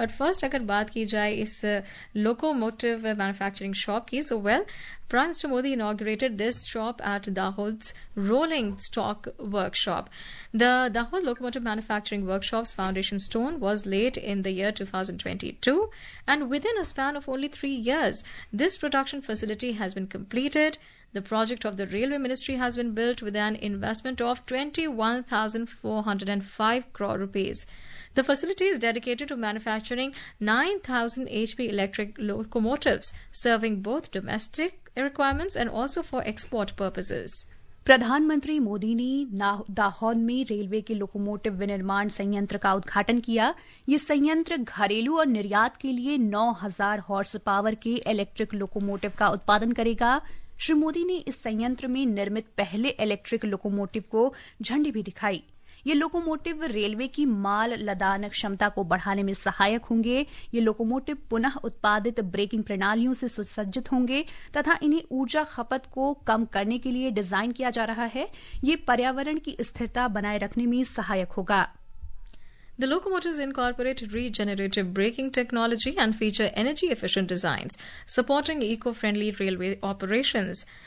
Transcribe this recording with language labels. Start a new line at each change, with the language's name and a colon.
English: But first,
Hindi: agar baat ki jaye इस locomotive manufacturing shop की,
English: So well, prime minister Modi inaugurated this shop at Dahod's rolling stock workshop. The Dahod locomotive manufacturing workshops foundation stone was laid in the year 2022 and within a span of only 3 years this production facility has been completed. The project of the Railway Ministry has been built with an investment of 21,405 crore rupees. The facility is dedicated to manufacturing 9,000 HP electric locomotives, serving both domestic requirements and also for export purposes.
Hindi: प्रधानमंत्री मोदी ने दाहोद में railway के locomotive विनिर्माण संयंत्र का उद्घाटन किया। ये संयंत्र घरेलू और निर्यात के लिए 9,000 हॉर्स पावर के इलेक्ट्रिक लोकोमोटिव का उत्पादन करेगा। श्री मोदी ने इस संयंत्र में निर्मित पहले इलेक्ट्रिक लोकोमोटिव को झंडी भी दिखाई। ये लोकोमोटिव रेलवे की माल लदान क्षमता को बढ़ाने में सहायक होंगे। ये लोकोमोटिव पुनः उत्पादित ब्रेकिंग प्रणालियों से सुसज्जित होंगे तथा इन्हें ऊर्जा खपत को कम करने के लिए डिजाइन किया जा रहा है। ये पर्यावरण की स्थिरता बनाए रखने में सहायक होगा।
English: The locomotives incorporate regenerative braking technology and feature energy-efficient designs, supporting eco-friendly railway operations.